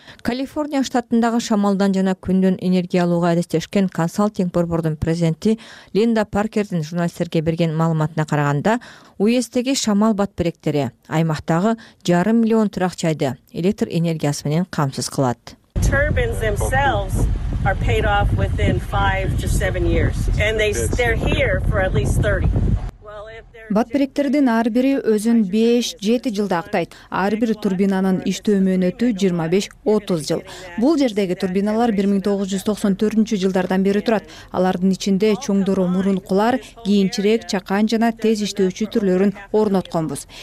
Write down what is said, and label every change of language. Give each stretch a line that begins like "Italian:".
Kyrgyz: Калифорния штатындагы шамалдан жана күндөн энергия алууга адистешкен консалтинг борбордун президенти Линда Паркердин журналисттерге берген маалыматына караганда, уездеги шамал батпиректери аймактагы 500 000 турак жайды электр энергиясы менен камсыз кылат.
English: Turbines themselves are paid off within 5 to 7 years, and they're here for at least 30.
Kyrgyz: Батпиректердин ар бири өзүн 5-7 жылда актайт. Ар бир турбинанын иштөө мөөнөтү 25-30 жыл. Бул жердеги турбиналар 1994 жылдардан бери турат. Алардын ичинде чоңдору мурункулар, кийинчерээк чакан жана тез иштөөчү түрлөрүн орнотконбуз.